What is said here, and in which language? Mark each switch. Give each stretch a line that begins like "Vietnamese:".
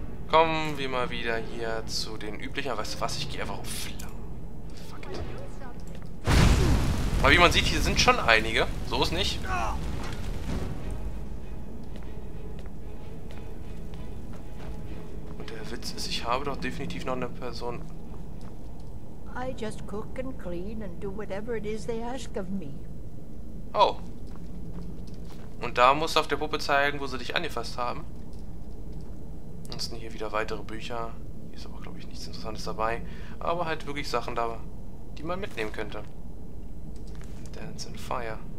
German: Kommen wir mal wieder hier zu den üblichen. Weißt du was? Ich gehe einfach auf Flammen. Fuck it. Aber wie man sieht, hier sind schon einige. So ist nicht. Und der Witz ist, ich habe doch definitiv noch eine Person.
English: I just cook and clean and do whatever it is they ask of me. Oh.
German: Und da musst du auf der Puppe zeigen, wo sie dich angefasst haben. Ansonsten hier wieder weitere Bücher. Hier ist aber, glaube ich, nichts Interessantes dabei. Aber halt wirklich Sachen da, die man mitnehmen könnte. Dance and Fire.